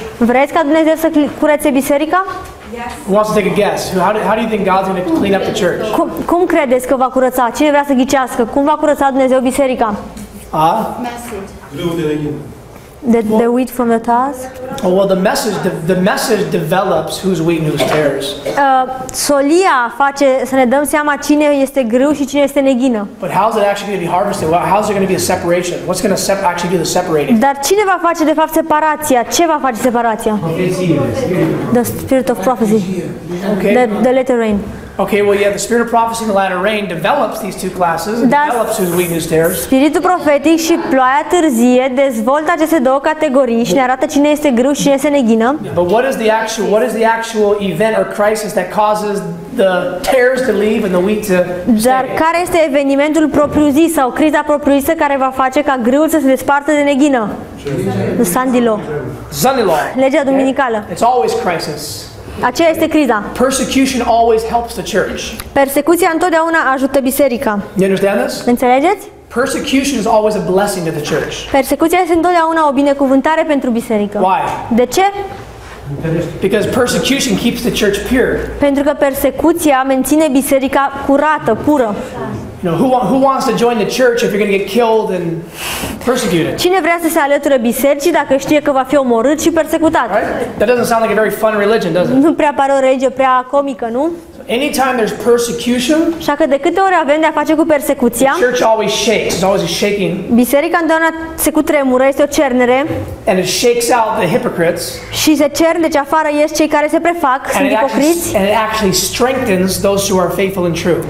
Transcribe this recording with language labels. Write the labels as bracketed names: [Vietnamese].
[Romanian] Vreți ca Dumnezeu să curețe biserica? [English] Yes. Who wants to take a guess? How do you think God's going to clean up the church? [Romanian] Cum credeți că va curăța? Cine vrea să ghicească? Cum va curăța Dumnezeu biserica? [English] Message. The wheat from the tares. Oh, well, the message develops who's wheat and who's tares. [Romanian] Solia face să ne dăm seama cine este grâu și cine este neghină. [English] But how's it actually going to be harvested? Well, how's there going to be a separation? What's going to actually do the separating? [Romanian] Dar cine va face de fapt separația? Ce va face separația? [English] The spirit of prophecy. Okay. The latter rain. Okay, well, yeah, the spirit of prophecy and the latter rain develops these two classes and develops who's wheat and who's tares. [Romanian] Spiritul profetic și ploaia târzie dezvoltă aceste două categorii și ne arată cine este grâu și cine este neghină. [English] But what is the actual event or crisis that causes the tares to leave and the wheat to stay? [Romanian] Dar care este evenimentul propriu-zis sau criza propriu-zisă care va face ca grâul să se despartă de neghină? Sandilor. Legea duminicală. [English] It's always crisis. [Romanian] Aceea este criza. [English] Persecution always helps the church. [Romanian] Persecuția întotdeauna ajută biserica. [English] You understand this? [Romanian] Înțelegeți? [English] Persecution is always a blessing to the church. [Romanian] Persecuția este întotdeauna o binecuvântare pentru biserică. [English] Why? [Romanian] De ce? [English] Because persecution keeps the church pure. [Romanian] Pentru că persecuția menține biserica curată, pură. [English] You know, who wants to join the church if you're going to get killed and persecuted? [Romanian] Cine vrea să se alăture bisericii dacă știe că va fi omorât și persecutat? [English] Right? That doesn't sound like a very fun religion, does it? [Romanian] Nu prea pare o religie prea comică, nu? [English] So anytime there's persecution, [Romanian] așa că de câte ori avem de a face cu persecuția, [English] the church always shakes. It's always shaking. [Romanian] Biserica întotdeauna se cutremură, este o cernere. [English] And it shakes out the hypocrites. [Romanian] Și se cern, deci afară ies cei care se prefac, sunt ipocriți. [English] And it actually strengthens those who are faithful and true.